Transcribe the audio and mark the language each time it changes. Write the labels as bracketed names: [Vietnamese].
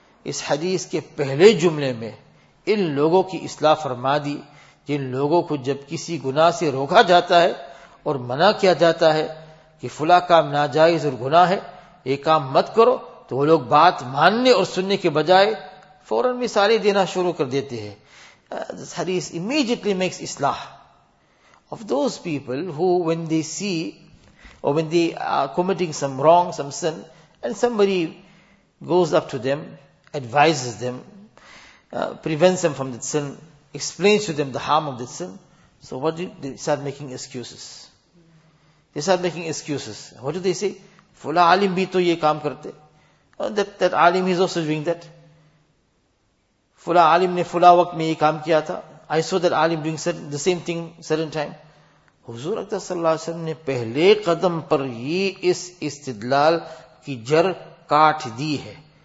[Urdu] اس حدیث کے پہلے جملے میں ان لوگوں کی اصلاح فرما دی جن لوگوں کو جب کسی گناہ سے روکا جاتا ہے اور منع کیا جاتا ہے کہ فلاں کام ناجائز اور گناہ ہے، یہ کام مت کرو، تو وہ لوگ بات ماننے اور سننے کے بجائے فوراً مثالیں دینا شروع کر دیتے ہیں. [English] This حدیث immediately makes اصلاح of those people who when they see or when they are committing some wrong, some sin, and somebody goes up to them, advises them, prevents them from that sin, explains to them the harm of that sin, so what do they start making excuses. They start making excuses. What do they say? [Urdu] فلا عالم بھی تو یہ کام کرتے. [English] That عالم is also doing that. [Urdu] فلا عالم نے فلا وقت میں یہ کام کیا تھا. [English] I saw that عالم doing the same thing certain time. [Urdu] حضور اکرم صلی اللہ علیہ وسلم نے پہلے قدم پر ہی اس استدلال کی جر کاٹ دی ہے.